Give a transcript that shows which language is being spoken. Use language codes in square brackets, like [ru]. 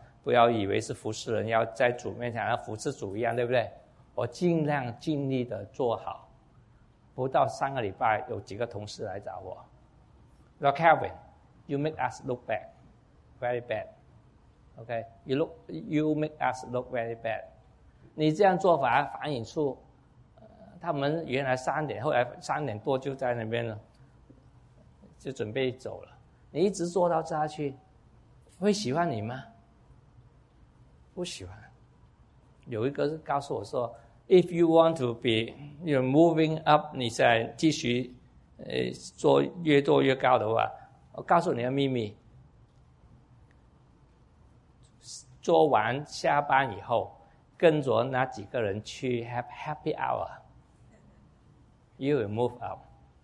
[zh] 不要以为是服侍人要在主面前像服侍主一样，对不对？我尽量尽力的做好。不到三个礼拜，有几个同事来找我 ， [en] Look Calvin, you make us look bad, very bad. Okay, you make us look very bad. [zh] 你这样做法反映出、他们原来三点，后来三点多就在那边了，就准备走了。你一直做到下去，会喜欢你吗？不喜欢。有一个是告诉我说 ， [en] If you want to be you're moving up， [zh] 你再继续做越做越高的话，我告诉你个秘密：做完下班以后，跟着那几个人去 [en] have happy hour， you will move up。